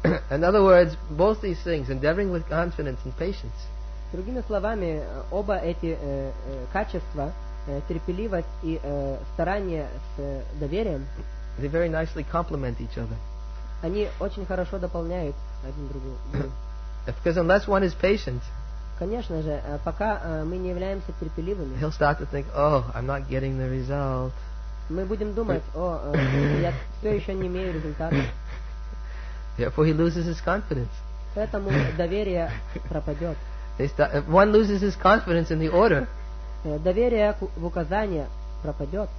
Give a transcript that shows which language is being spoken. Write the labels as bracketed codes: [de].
[en] In other words, both these things, endeavoring with confidence and patience. [ru] Другими словами, оба эти качества, терпеливость и старание с доверием, [en] they very nicely complement each other. [ru] Они очень хорошо дополняют один другого. [en] Because unless one is patient, [ru] конечно же, пока мы не являемся терпеливыми, [en] he'll start to think, oh, I'm not getting the result. [ru] Мы будем думать, о, я все еще не имею результата. [en] Therefore, he loses his confidence. [ru] Поэтому доверие пропадет. [en] One loses his confidence in the order. [ru] Доверие в указание пропадет.